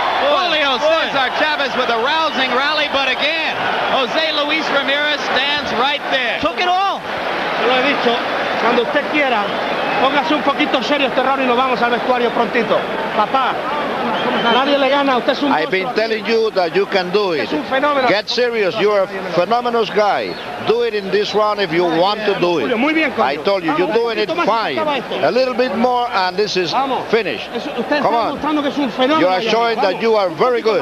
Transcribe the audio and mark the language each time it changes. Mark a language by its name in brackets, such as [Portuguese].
[English] Julio Cesar Chavez with a rousing rally, but again, Jose Luis Ramirez stands right there. Took it all. [Spanish] Se lo he dicho, cuando usted quiera, póngase un poquito serio este round y nos vamos al vestuario prontito. Papá, nadie le gana. Usted es un [English] monstruo. I've been telling you that you can do it. Get serious. You're a phenomenal guy. Do it in this round if you want to do it. I told you, you're doing it fine. A little bit more and this is finished. Come on. You are showing that you are very good.